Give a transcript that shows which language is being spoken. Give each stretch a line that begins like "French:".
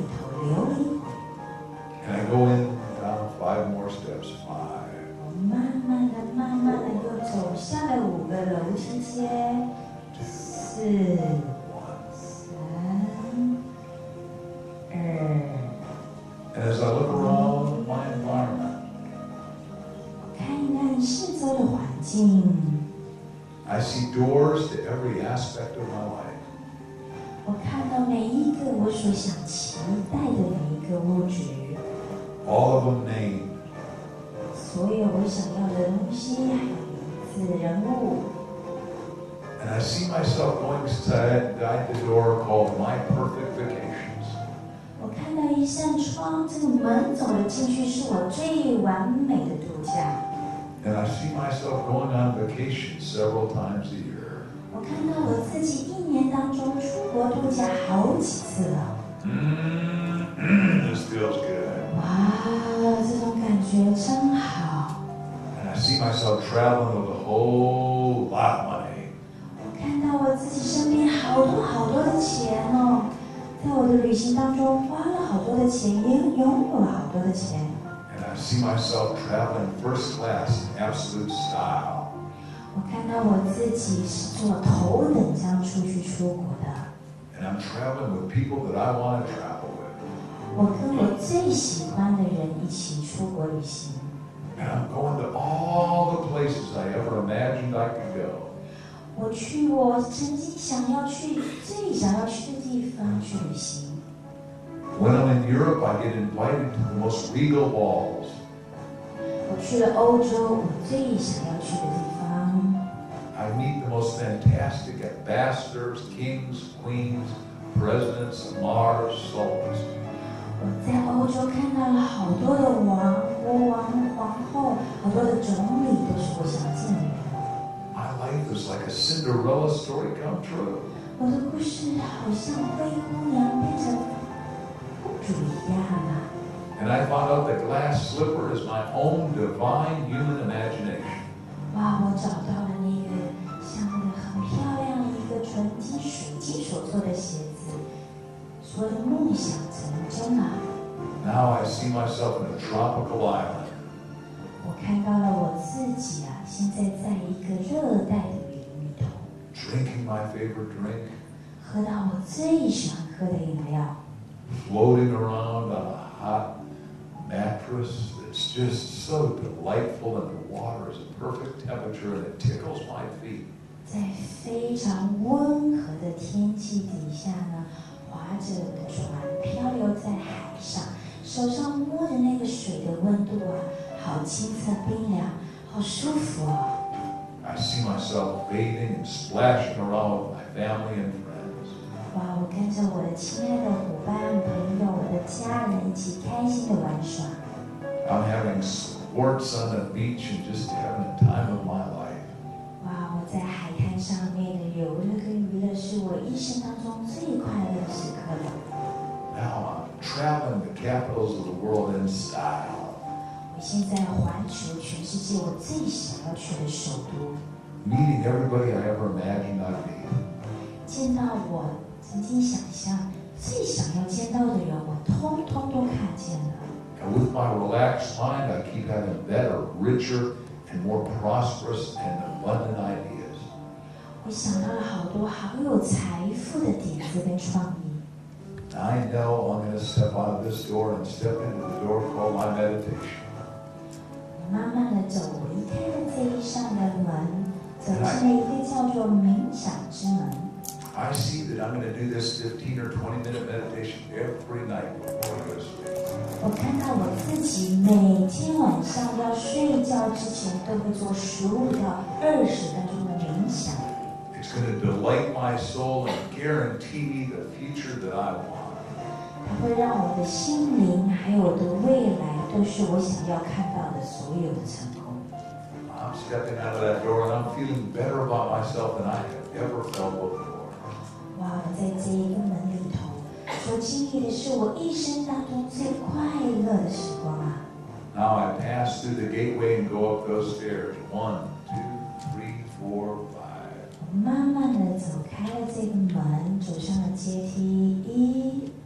English: And I go in down five more steps, five.
Chinese: 慢慢的，慢慢的又走下了五个楼梯阶，四、三、二。
English: And as I look around my environment,
Chinese: 看一看四周的环境。
English: I see doors to every aspect of my life.
Chinese: 我看到每一个我所想期待的每一个物质
English: All of them named
Chinese: 所有我想要的东西还有人物
English: And I see myself going inside the door called My Perfect Vacations
Chinese: 我看到一扇窗，这个门走了进去，是我最完美的度假。
English: And I see myself going on vacation several times a year.
Chinese: 我看到我自己一年当中出国度假好几次了。
English: This feels good.
Chinese: 哇，这种感觉真好。
English: And I see myself traveling with a whole lot of money.
Chinese: 我看到我自己身边好多好多的钱哦，在我的旅行当中花了好多的钱，也拥有了好多的钱。
English: I see myself traveling first class in absolute style.
Chinese: 我看到我自己是坐头等舱出去出国的。
English: And I'm traveling with people that I want to travel with.
Chinese: 我跟我最喜欢的人一起出国旅行。
English: And I'm going to all the places I ever imagined I could go.
Chinese: 我去我曾经想要去最想要去的地方去旅行。
English: When I'm in Europe, I get invited to the most regal balls.
Chinese: 我去了欧洲，我最想要去的地方。
English: I meet the most fantastic ambassadors, kings, queens, presidents, Mars, sultans.
Chinese: 我在欧洲看到了好多的王、国王、皇后，好多的总理都是我想见的。
English: My life is like a Cinderella story come true.
Chinese: 我的故事好像灰姑娘变成。
English: And I found out that glass slipper is my own divine human imagination.
Chinese: Wow, 我找到了那个像那个很漂亮的一个纯金属做的鞋子，所有的梦想成真了。
English: Now I see myself in a tropical island.
Chinese: 我看到了我自己啊，现在在一个热带的渔头。
English: Drinking my favorite drink.
Chinese: 喝到我最喜欢喝的饮料。
English: Floating around on a hot mattress that's just so delightful, and the water is a perfect temperature and it tickles my feet.
Chinese: 在非常温和的天气底下呢，划着我的船，漂流在海上，手上摸着那个水的温度啊，好清澈冰凉，好舒服哦。
English: I see myself bathing and splashing around with my family and friends.
Chinese: 哇，我跟着我的亲爱的伙伴、朋友、我的家人一起开心的玩耍。
English: I'm having sports on the beach and just having the time of my life.
Chinese: 哇，我在海滩上面的游乐跟娱乐是我一生当中最快乐的时刻了。
English: Now I'm traveling the capitals of the world in style.
Chinese: 我现在环球全世界我最想要去的首都。
English: Meeting everybody I ever imagined I'd meet.
Chinese: 见到我曾经想象最想要见到的人，我通通都看见了。
English: And with my relaxed mind, I keep having better, richer, and more prosperous and abundant ideas.
Chinese: 我想到了好多好有财富的点子跟创意。
English: I know I'm going to step out of this door and step into the door called my meditation.
Chinese: 我慢慢的走，我离开了这一扇的门，走进了一个叫做冥想之门。
English: I see that I'm going to do this 15 or 20 minute meditation every night before I go to sleep.
Chinese: 我看到我自己每天晚上要睡觉之前都会做15到20分钟的冥想。
English: It's going to delight my soul and guarantee me the future that I want.
Chinese: 它会让我的心灵还有我的未来都是我想要看到的所有的成功。
English: I'm stepping out of that door and I'm feeling better about myself than I have ever felt before.
Chinese: 哇，我在这一个门里头，所经历的是我一生当中最快乐的时光啊。
English: Now I pass through the gateway and go up those stairs. 1, 2, 3, 4, 5.
Chinese: 我慢慢的走开了这个门，走上了阶梯。